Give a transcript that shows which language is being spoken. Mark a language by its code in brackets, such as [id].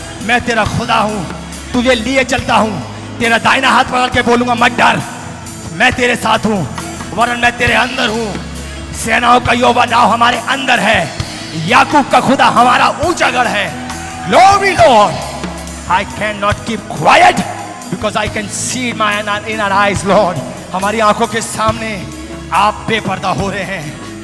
[hi] मैं तेरा खुदा हूं, तुझे लिए चलता हूं. तेरा दाहिना हाथ पकड़ के बोलूंगा, मत डर, मैं तेरे साथ हूं. वरन मैं तेरे अंदर हूं. सेनाओं का यहोवा नाव हमारे अंदर है. याकूब का खुदा हमारा ऊंचा गढ़ है. [en] Glory Lord. I cannot keep quiet because I can see my in our eyes, Lord. [hi] हमारी आंखों के सामने आप बेपर्दा हो रहे हैं.